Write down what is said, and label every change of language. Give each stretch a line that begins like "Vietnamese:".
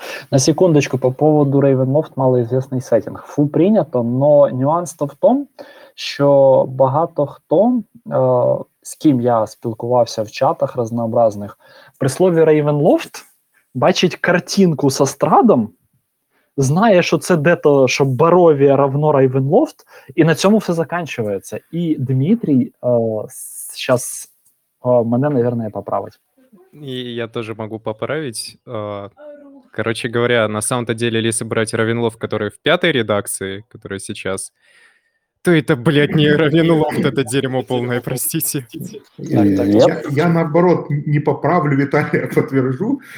Russian: На секундочку, по поводу Ravenloft, малоизвестный сеттинг. Фу, принято, но нюанс-то в том,
Ukrainian: що багато хто, з ким я спілкувався в чатах разнообразних, при слові Ravenloft бачить картинку со страдом, знає, що це де-то, що Баровія равно Ravenloft, і на цьому все заканчивається. І Дмитрій зараз мене, мабуть, поправить. І я теж можу поправити.
Russian: Короче говоря, на самом-то деле, если брать Ravenloft, который в пятой редакции, которая сейчас, то это, блядь, не Ravenloft, это дерьмо полное, простите. Я наоборот, не поправлю, Виталия, подтвержу.